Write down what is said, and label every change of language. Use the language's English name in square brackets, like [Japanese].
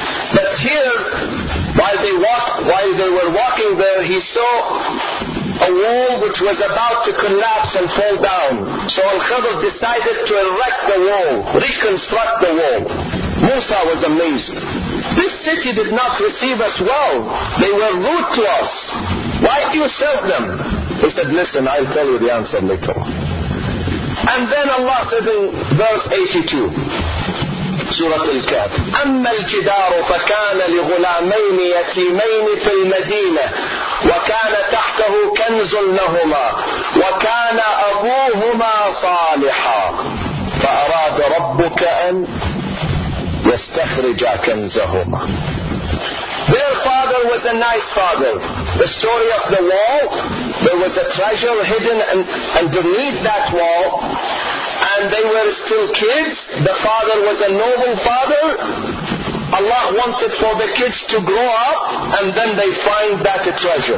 [English] But here, while they were walking there, he saw a wall which was about to collapse and fall down. So Al-Khidr decided to erect the wall, reconstruct the wall. Musa was amazed. This city did not receive us well. They were rude to us. Why do you serve them? He said, listen, I'll tell you the answer later. And then Allah said in verse 82, Surah Al-Kahf, [Arabic] أَمَّا الْجِدَارُ فَكَانَ لِغُلَامَيْنِ يَتِيمَيْنِ فِي الْمَدِينَةِ وَكَانَ تَحْتَهُ كَنْزٌ لَهُمَا وَكَانَ أَبُوهُمَا صَالِحًا فَأَرَادَ رَبُّكَ أَنْ يَسْتَخْرِجَ كَنْزَهُمَا. [English] Their father was a nice father. The story of the wall, there was a treasure hidden underneath that wall. And they were still kids. The father was a noble father. Allah wanted for the kids to grow up and then they find that a treasure.